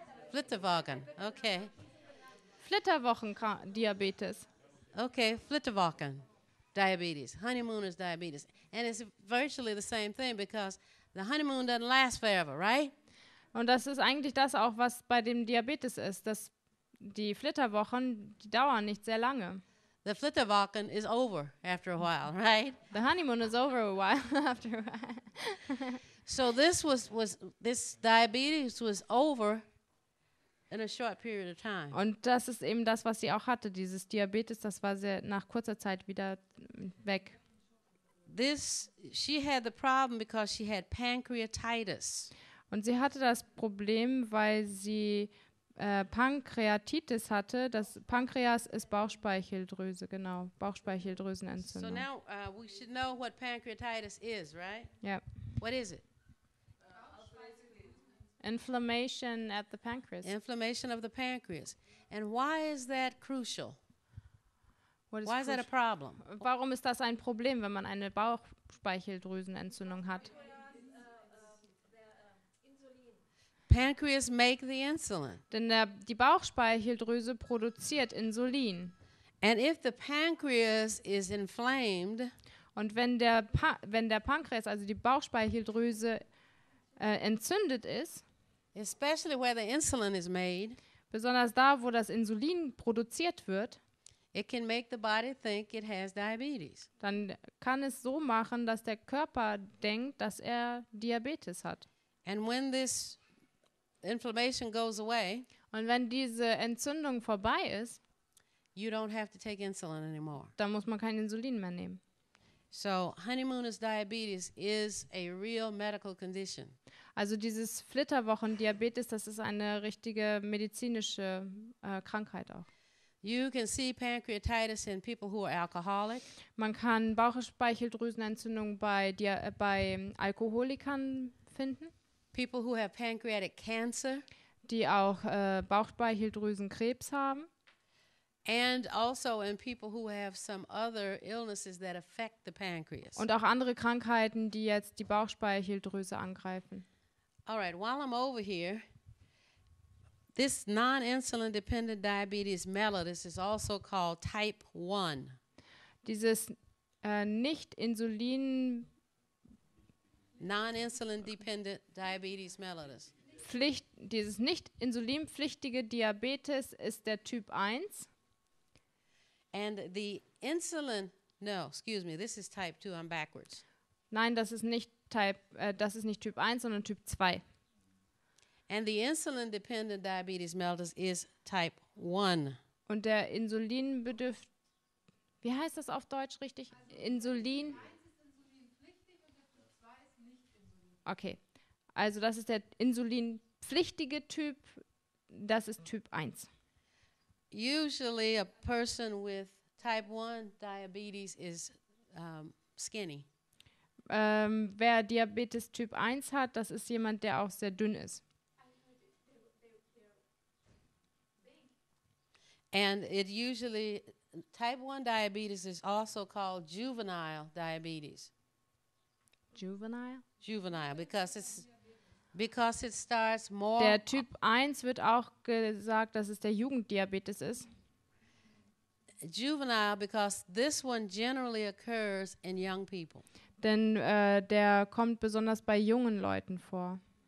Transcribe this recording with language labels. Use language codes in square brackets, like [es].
[de] Flitterwochen. Okay. Flitterwochen Diabetes. Okay, Flitterwochen Diabetes. [en] Honeymooner's Diabetes. And it's virtually the same thing because the honeymoon doesn't last forever, right? [de] Und das ist eigentlich das auch, was bei dem Diabetes ist, dass die Flitterwochen, die dauern nicht sehr lange. [en] The Flitterwochen is over after a while, right? The honeymoon is over a while after a while. So this diabetes was over in a short period of time. [de] Und das ist eben das, was sie auch hatte, dieses Diabetes, das war sehr nach kurzer Zeit wieder weg. [en] This, she had the problem because she had pancreatitis. [de] Und sie hatte das Problem, weil sie Pankreatitis hatte. Das Pankreas ist Bauchspeicheldrüse, genau. Bauchspeicheldrüsenentzündung. [en] So now we should know what pancreatitis is, right? Yeah. What is it? Inflammation at the pancreas. Inflammation of the pancreas. And why is that crucial? What is why crucial? Is that a problem? [de] Warum ist das ein Problem, wenn man eine Bauchspeicheldrüsenentzündung hat? [en] Pancreas make the insulin. [de] Denn die Bauchspeicheldrüse produziert Insulin. [en] And if the pancreas is inflamed, [de] und wenn der Pankreas, also die Bauchspeicheldrüse entzündet ist, [en] especially where the insulin is made, [de] besonders da, wo das Insulin produziert wird, [en] it can make the body think it has diabetes. [de] Dann kann es so machen, dass der Körper denkt, dass er Diabetes hat. [en] And when this inflammation goes away, [de] und wenn diese Entzündung vorbei ist, [en] you don't have to take insulin anymore. [de] Dann muss man kein Insulin mehr nehmen. [en] So, honeymooners diabetes is a real medical condition. [de] Also dieses Flitterwochen-Diabetes, das ist eine richtige medizinische Krankheit auch. [en] You can see pancreatitis in people who are alcoholic. [de] Man kann Bauchspeicheldrüsenentzündung bei Alkoholikern finden. [en] People who have pancreatic cancer. [de] Die auch Bauchspeicheldrüsenkrebs haben. [en] And also in people who have some other illnesses that affect the pancreas. [de] Und auch andere Krankheiten, die jetzt die Bauchspeicheldrüse angreifen. [en] All right, while I'm over here, this non-insulin dependent diabetes mellitus is also called type 1. [de] Dieses nicht insulin [en] non-insulin dependent diabetes mellitus. [de] Dieses nicht insulinpflichtige Diabetes ist der Typ 1. [en] And the insulin, no, excuse me, this is type 2, I'm backwards. [de] Nein, das ist nicht das ist nicht Typ 1, sondern Typ 2. [en] And the insulin dependent diabetes mellitus is type 1. [de] Und der wie heißt das auf Deutsch richtig? Also Insulin. Eins ist insulinpflichtig und der Typ 2 ist nicht insulin. Okay. Also das ist der insulinpflichtige Typ, das ist Typ 1. [en] Usually a person with type 1 diabetes is skinny. [de] Wer Diabetes Typ 1 hat, das ist jemand, der auch sehr dünn ist. [en] And it usually type 1 diabetes is also called juvenile diabetes. Juvenile? Juvenile because it starts more. [de] Der Typ 1 wird auch gesagt, dass es der Jugenddiabetes ist. [en] Juvenile because this one generally occurs in young people. [de] Denn der kommt besonders bei jungen Leuten vor.